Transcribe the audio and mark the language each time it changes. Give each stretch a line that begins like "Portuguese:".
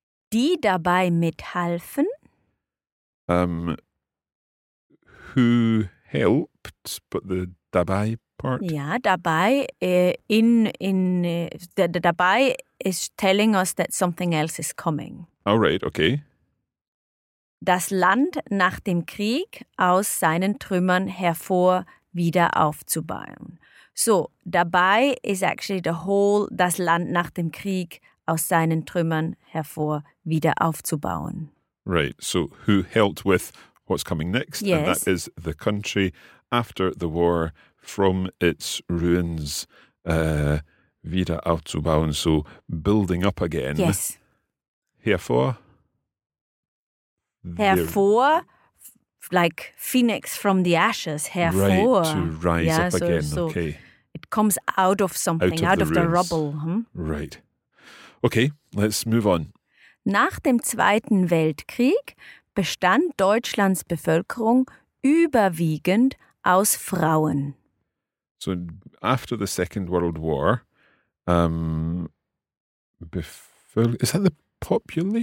German: Die dabei mithalfen.
English: Who helped, but the dabei part? Yeah, dabei, the dabei is telling us that something else is coming. All right, okay.
German: Das Land nach dem Krieg aus seinen Trümmern hervor wieder aufzubauen.
English: So, dabei is actually the whole
German: das Land nach dem Krieg aus seinen Trümmern hervor wieder aufzubauen.
English: Right, so who helped with what's coming next, yes. And that is the country after the war from its ruins
German: wieder aufzubauen,
English: so building up again. Yes.
German: Hervor,
English: like phoenix from the ashes, hervor. Right, to rise up again, so okay. It comes out of something, out of the rubble. Hmm? Right. Okay, let's move on.
German: Nach dem Zweiten Weltkrieg bestand Deutschlands Bevölkerung überwiegend aus Frauen.
English: So after the Second World War, is that the population?